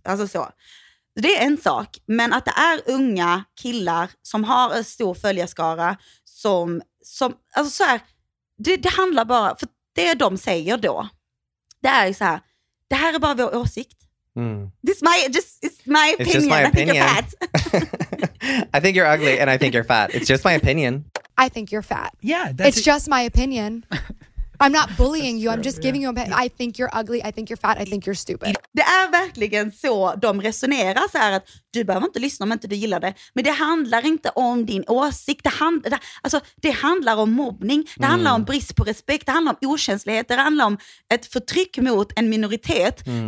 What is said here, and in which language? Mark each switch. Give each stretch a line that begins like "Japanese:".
Swedish: Hur, alltså så. Det är en sak, men att det är unga killar som har en stor följarskara som alltså så här, det handlar bara... För det de säger då, det är ju så här, det här är bara vår åsikt. Mm.
English: It's just my opinion. It's just my opinion. I think you're fat. I think you're ugly and I think you're fat. It's just my opinion. I think you're fat. Yeah. It's just my opinion. I'm not bullying you. I'm just giving you a pet. I think you're ugly. I think you're fat. I think you're stupid.
Swedish: Det är verkligen så de resonerar så här att du behöver inte lyssna om inte du gillar det. Men det handlar inte om din åsikt. Det handlar om mobbning. Det handlar om brist på respekt. Det handlar om okänslighet. Det handlar om ett förtryck mot en minoritet. Mm.